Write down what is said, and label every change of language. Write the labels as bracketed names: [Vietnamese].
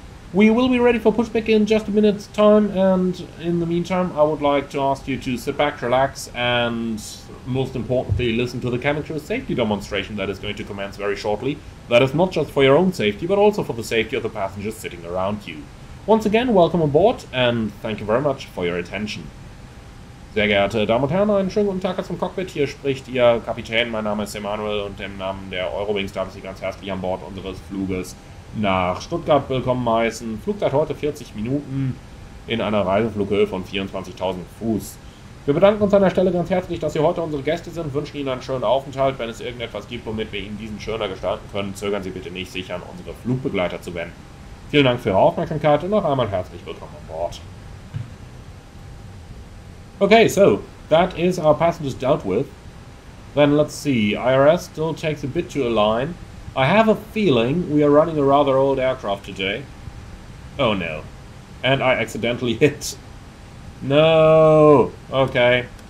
[English] We will be ready for pushback in just a minute's time, and in the meantime, I would like to ask you to sit back, relax, and most importantly, listen to the chemical safety demonstration that is going to commence very shortly. That is not just for your own safety, but also for the safety of the passengers sitting around you. Once again, welcome aboard, and thank you very much for your attention. [German] Sehr geehrte Damen und Herren, einen schönen guten Tag aus dem Cockpit. Hier spricht Ihr Kapitän, mein Name ist Emmanuel, und im Namen der Eurowings darf ich Sie ganz herzlich an Bord unseres Fluges nach Stuttgart willkommen heißen. Flugzeit heute 40 Minuten in einer Reiseflughöhe von 24.000 Fuß. Wir bedanken uns an der Stelle ganz herzlich, dass Sie heute unsere Gäste sind, wünschen Ihnen einen schönen Aufenthalt. Wenn es irgendetwas gibt, womit wir Ihnen diesen schöner gestalten können, zögern Sie bitte nicht, sich an unsere Flugbegleiter zu wenden. Vielen Dank für Ihre Aufmerksamkeit und noch einmal herzlich willkommen an Bord. [English] Okay, so, that is our passengers dealt with. Then let's see, IRS still takes a bit to align. I have a feeling we are running a rather old aircraft today. Oh no. And I accidentally hit. No. Okay.